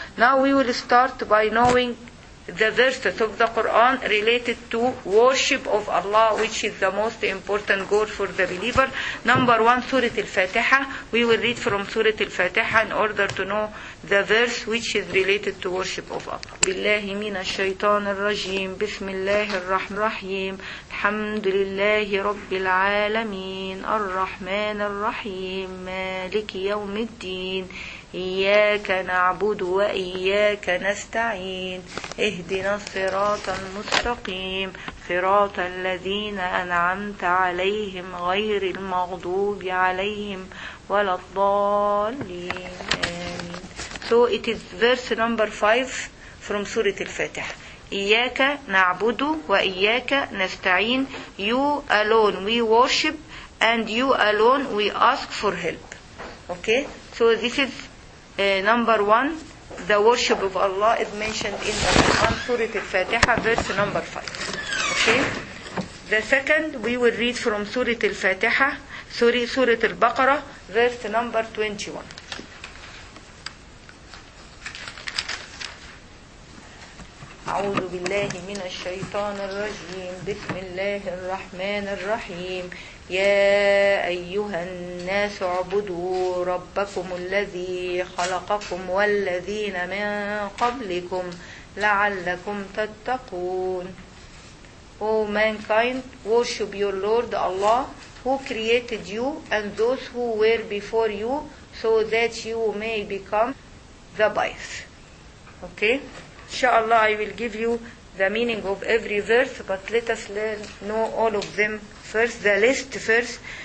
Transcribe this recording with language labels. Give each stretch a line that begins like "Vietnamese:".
English: Now we will start by knowing the verses of the Quran related to worship of Allah, which is the most important goal for the believer. Number one, Surah Al-Fatiha. We will read from Surah Al-Fatiha in order to know the verse which is related to worship of Allah.
Arabic: بِاللَّهِ مِنَ الشَّيْطَانِ الرَّجِيمِ بِسْمِ اللَّهِ الرَّحْمِ الرَّحِيمِ الْحَمْدُ لِلَّهِ رَبِّ الْعَالَمِينَ الرَّحْمَنِ الرَّحِيمِ مَالِكِ يَوْمِ الدِّينِ إياك نعبد وإياك نستعين اهدنا الصراط المستقيم صراط الذين أنعمت عليهم غير المغضوب عليهم ولا الضالين آمين.
English: So it is verse number 5 from Surah Al-Fatih.
Arabic: إياك نعبد وإياك نستعين. You alone we worship
English: and you alone we ask for help. Okay? So this is number one. The worship of Allah is mentioned in the Quran, Surah Al-Fatiha, verse number 5. Okay? The second, we will read from Surah Al-Fatiha, Surah Al-Baqarah, verse number 21.
Arabic: أعوذ بالله من الشيطان الرجيم بسم الله الرحمن الرحيم يا أيها الناس اعبدوا ربكم الذي خلقكم والذين من قبلكم لعلكم تتقون.
English: O mankind, worship your Lord Allah who created you and those who were before you so that you may become the wise. Okay? Inshallah, I will give you the meaning of every verse, but let us learn, know all of them first, the list first.